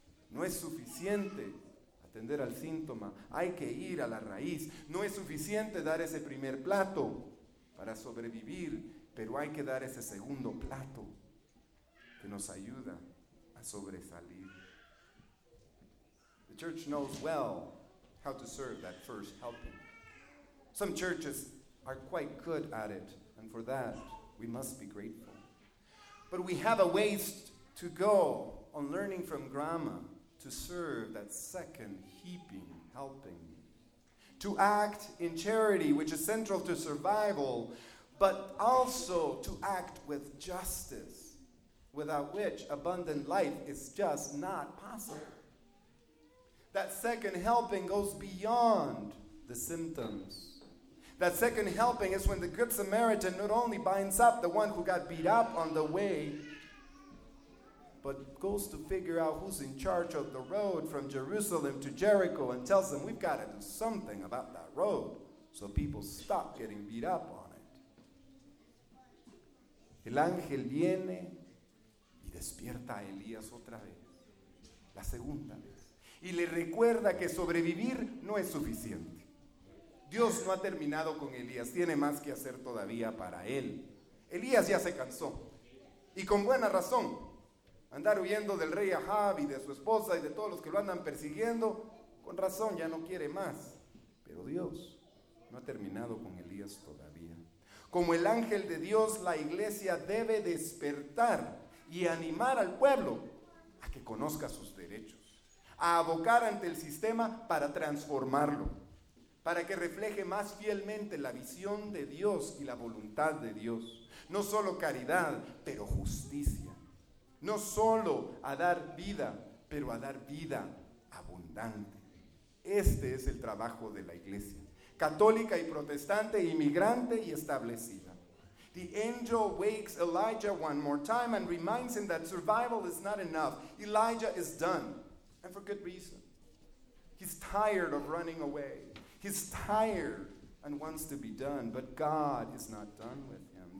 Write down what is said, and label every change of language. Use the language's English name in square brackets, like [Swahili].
[Spanish] No es suficiente atender al síntoma. Hay que ir a la raíz. No es suficiente dar ese primer plato para sobrevivir, pero hay que dar ese segundo plato que nos ayuda a sobresalir. [English] The church knows well how to serve that first helping. Some churches are quite good at it, and for that we must be grateful. But we have a ways to go on learning from grandma to serve that second heaping helping. To act in charity, which is central to survival, but also to act with justice, without which abundant life is just not possible. That second helping goes beyond the symptoms. That second helping is when the Good Samaritan not only binds up the one who got beat up on the way, but goes to figure out who's in charge of the road from Jerusalem to Jericho and tells them, we've got to do something about that road so people stop getting beat up on it. [Spanish] El ángel viene y despierta a Elías otra vez, la segunda vez, y le recuerda que sobrevivir no es suficiente. Dios no ha terminado con Elías, tiene más que hacer todavía para él. Elías ya se cansó, y con buena razón. Andar huyendo del rey Ahab y de su esposa y de todos los que lo andan persiguiendo, con razón ya no quiere más. Pero Dios no ha terminado con Elías todavía. Como el ángel de Dios, la iglesia debe despertar y animar al pueblo a que conozca sus derechos, a abocar ante el sistema para transformarlo, para que refleje más fielmente la visión de Dios y la voluntad de Dios. No solo caridad, pero justicia. No solo a dar vida, pero a dar vida abundante. Este es el trabajo de la iglesia, católica y protestante, inmigrante y establecida. [English] The angel wakes Elijah one more time and reminds him that survival is not enough. Elijah is done, and for good reason. He's tired of running away. He's tired and wants to be done, but God is not done with him.